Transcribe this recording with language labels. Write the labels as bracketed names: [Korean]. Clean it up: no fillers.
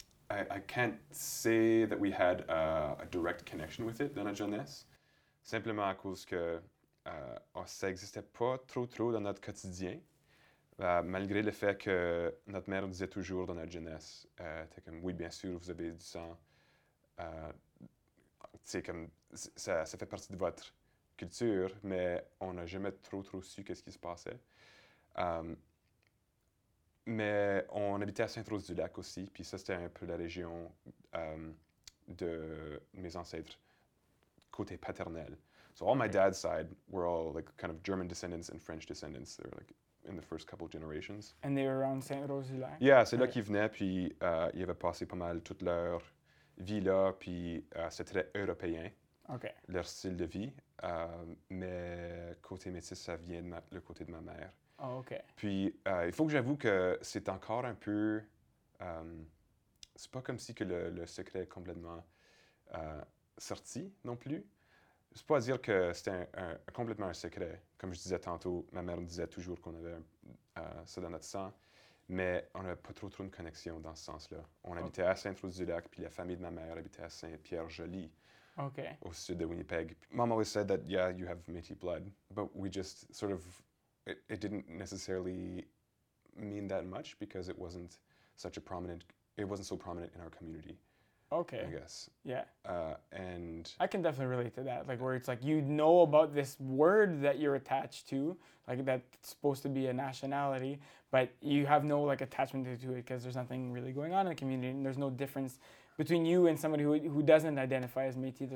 [English] I can't say that we had a direct connection with it [French] dans la jeunesse. Simplement à cause que ça existait pas trop dans notre quotidien, malgré le fait que notre mère disait toujours dans notre jeunesse, t'es comme oui bien sûr vous avez du sang, c'est comme ça fait partie de votre culture, mais on n'a jamais trop su qu'est-ce qui se passait. Mais on habitait à Sainte-Rose-du-Lac aussi, puis ça c'était un peu la région de mes ancêtres côté paternel. [English] So all my dad's side were all like kind of German descendants and French descendants. They were like in the first couple of generations. And they were around Sainte-Rose-du-Lac? [French] Yeah, c'est là qu'ils venaient, puis ils avaient passé pas mal toute leur vie là, puis c'était très européen. [English] Okay. [French] Leur style de vie, mais côté métis, ça vient le côté de ma mère. [English] Oh, okay. [French] Puis, il faut que j'avoue que c'est encore un peu... c'est pas comme si que le secret est complètement sorti non plus. C'est pas à dire que c'était complètement un secret. Comme je disais tantôt, ma mère disait toujours qu'on avait ça dans notre sang. Mais on n'avait pas trop une connexion dans ce sens-là. On habitait à Saint-Rose-du-Lac, puis la famille de ma mère habitait à Saint-Pierre-Joly, au sud de Winnipeg. [English] Mom always said that, yeah, you have Métis blood. But we just sort of, it didn't necessarily mean that much because it wasn't such a prominent, it wasn't so prominent in our community. Okay. I guess. Yeah. And I can definitely relate to that. Like, where it's like, you know about this word that you're attached to, like, that's supposed to be a nationality, but you have no, like, attachment to it because there's nothing really going on in the community, and there's no difference between you and somebody who doesn't identify as Métis.